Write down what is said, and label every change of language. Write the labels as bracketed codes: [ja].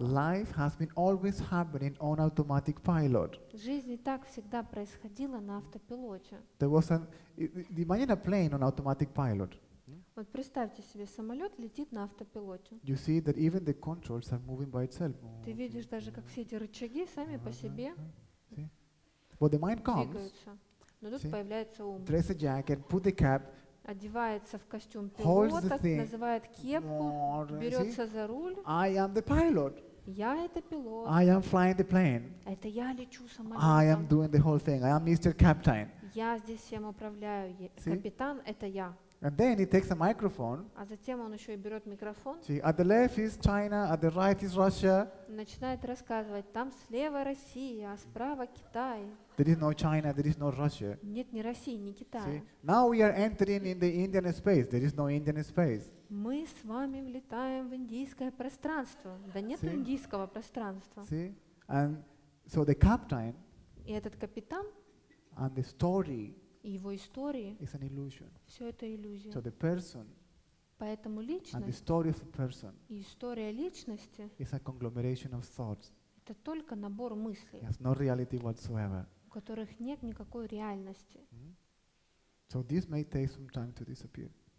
[en] Life has been always happening on automatic pilot. [ru] Жизнь и так всегда происходила на автопилоте. [en] There was an imagine a plane on automatic pilot. [ru] Вот представьте себе, самолет летит на автопилоте. [en] You see that even the controls are moving by itself. [ru] Ты видишь даже, как все эти рычаги сами по себе. [en] But the mind comes. [ru] Но тут появляется ум. [en] Dress a jacket, put the cap. [ru] Одевается в костюм пилота, называет кепку, берется за руль. [en] I am the pilot. [ru] Я это пилот. [en] I am flying the plane. [ru] Это я лечу самолетом. [en] I am doing the whole thing. I am Mr. Captain. [ru] Я здесь всем управляю. Капитан, это я. [en] And then he takes a microphone. [ru] А затем он еще и берет микрофон. [en] See, at the left is China, at the right is Russia. [ru] Начинает рассказывать: там слева Россия, а справа Китай. [en] There is no China, there is no Russia. [ru] Нет ни России, ни Китая. [en] See, now we are entering in the Indian space. There is no Indian space. [ru] Мы с вами влетаем в индийское пространство. Да нет индийского пространства. [en] See, and so the captain. [ru] И этот капитан. [en] And the story. [ru] И его истории. [en] It's an illusion. [ru] Все это иллюзия. [en] So the person. [ru] Поэтому личность. [en] And the story of the person. [ru] И история личности. [en] Is a conglomeration of thoughts. [ru] Это только набор мыслей. [en] It has no reality whatsoever. [ru] У которых нет никакой реальности. [en] So this may take some time to disappear.